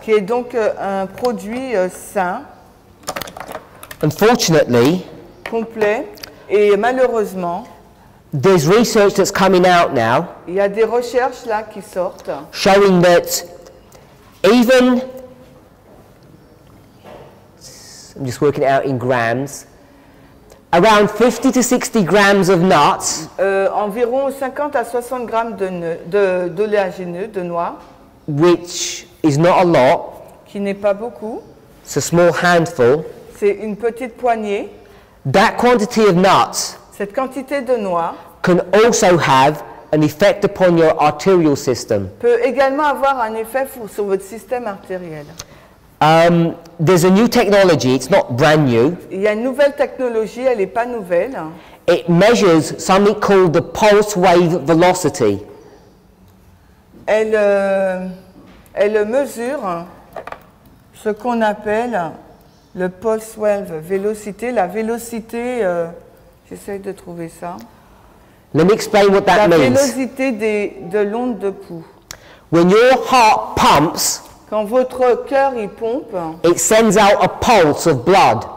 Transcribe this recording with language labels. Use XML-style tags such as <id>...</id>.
<fr>Qui est donc un produit sain.</fr> <en>Unfortunately,</en> <fr>complet et malheureusement,</fr> <en>there's research that's coming out now.</en> <fr>Il y a des recherches là qui sortent.</fr> <en>Showing that even I'm just working it out in grams. Around 50 to 60 grams of nuts.</en> <fr>Environ 50 à 60 grammes de d'oléagineux, de noix.</fr> <en>Which is not a lot.</en> <fr>Qui n'est pas beaucoup.</fr> <en>It's a small handful.</en> <fr>C'est une petite poignée.</fr> <en>That quantity of nuts.</en> <fr>Cette quantité de noix.</fr> <en>Can also have an effect upon your arterial system.</en> <fr>Peut également avoir un effet sur votre système artériel.</fr> <en>There's a new technology, it's not brand new.</en> <fr>Il y a une nouvelle technologie, elle n'est pas nouvelle.</fr> <en>It measures something called the pulse wave velocity.</en> <fr>Elle mesure ce qu'on appelle le</fr> <en>pulse wave velocity,</en> <fr>la vélocité, j'essaie de trouver ça.</fr> <en>Let me explain what that means.</en> <fr>La vélocité de l'onde de pouls.</fr> <en>When your heart pumps,</en> <fr>quand votre cœur y pompe,</fr> <en>it sends out a pulse of blood.</en>